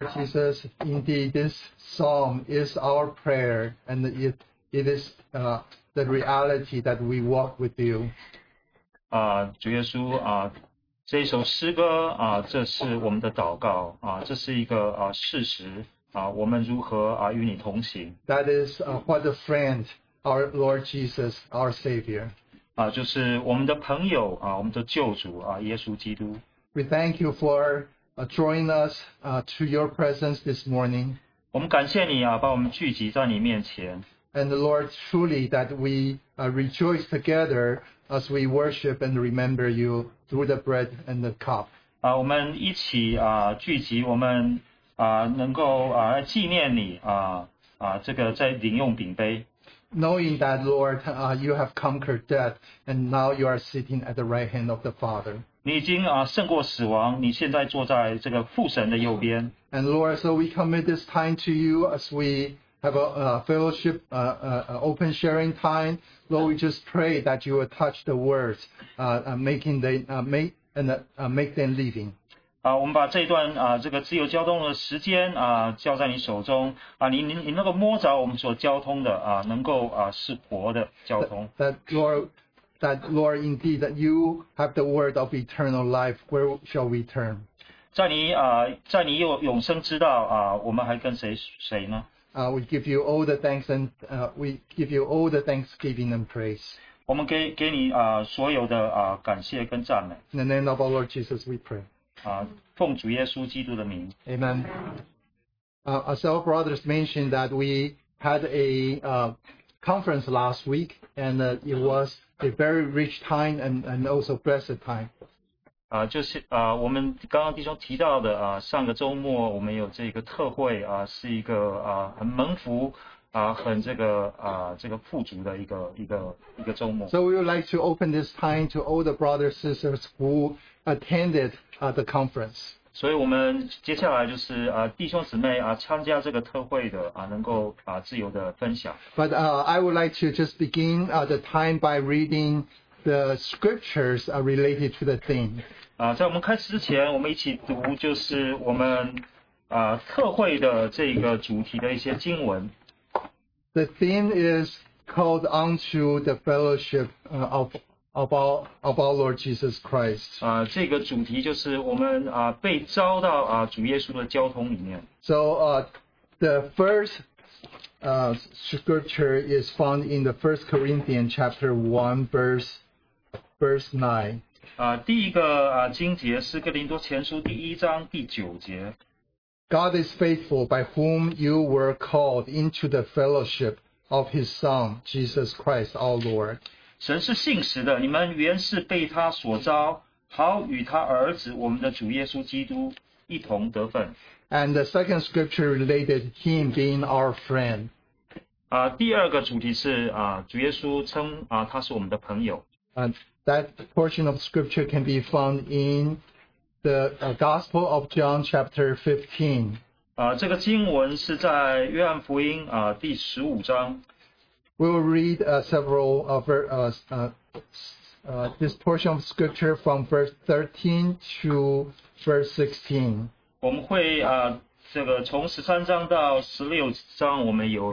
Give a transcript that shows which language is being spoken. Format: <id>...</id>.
<en>He says, indeed, this psalm is our prayer, and it is the reality that we walk with you.</en> <zh>主耶稣啊，这首诗歌啊，这是我们的祷告啊，这是一个啊事实啊，我们如何啊与你同行</zh> <en>？That is what a friend, our Lord Jesus, our Savior.</en> <zh>啊，就是我们的朋友啊，我们的救主啊，耶稣基督。</zh> <en>We thank you for drawing us to your presence this morning.</en> <zh>我们感谢你啊，把我们聚集在你面前。</zh> <en>And the Lord, truly that we rejoice together as we worship and remember you through the bread and the cup.</en> <zh>我们一起聚集，我们能够纪念你这个在领用饼杯。</zh> <en>Knowing that, Lord, you have conquered death, and now you are sitting at the right hand of the Father.</en> <zh>你已经胜过死亡，你现在坐在这个父神的右边。</zh> <en>And Lord, so we commit this time to you as we have a fellowship, open sharing time. Lord, we just pray that you will touch the words, make them living.</en> <zh>我们把这段这个自由交通的时间交在你手中你能够摸着我们所交通的能够是活的交通。</zh> <en>That Lord, indeed, that you have the word of eternal life. Where shall we turn?</en> <zh>在你永生之道我们还跟谁呢？</zh> <en>We give you all the thanks and we give you all the thanksgiving and praise.</en> <zh>我们给你所有的感谢跟赞美。</zh> <en>In the name of our Lord Jesus, we pray.</en> <zh>奉主耶稣基督的名。</zh> <en>Amen. As our brothers mentioned that we had a conference last week, and it was a very rich time and also blessed time.</en> <zh>我们刚刚弟兄提到的上个周末我们有这个特会是一个很蒙福很这个富足的一个周末。</zh> <en>So we would like to open this time to all the brothers and sisters who attended the conference.</en> <zh>所以我们接下来就是弟兄姊妹参加这个特会的能够自由的分享。</zh> <en>But I would like to just begin the time by reading the scriptures related to the theme.</en> <zh>在我们开始之前，我们一起读就是我们特会的这个主题的一些经文。</zh> <en>The theme is called unto the fellowship of our Lord Jesus Christ.</en> <zh>这个主题就是我们被召到主耶稣的交通里面。</zh> <en>So the first scripture is found in the 1 Corinthians chapter 1 verse 9.</en> <zh>第一个经节是哥林多前书第一章第九节。</zh> <en>God is faithful by whom you were called into the fellowship of his Son, Jesus Christ, our Lord.</en> <zh>神是信实的，你们原是被他所召，好与他儿子我们的主耶稣基督一同得分。</zh> <en>And the second scripture related him being our friend.</en> <zh>第二个主题是主耶稣称他是我们的朋友。</zh> <en>And that portion of scripture can be found in the Gospel of John chapter 15.</en> <zh>这个经文是在约翰福音第十五章。</zh> <en>We'll read several of this portion of scripture from verse 13 to verse 16.</en> <zh>我们会这个从十三章到十六章，我们有</zh>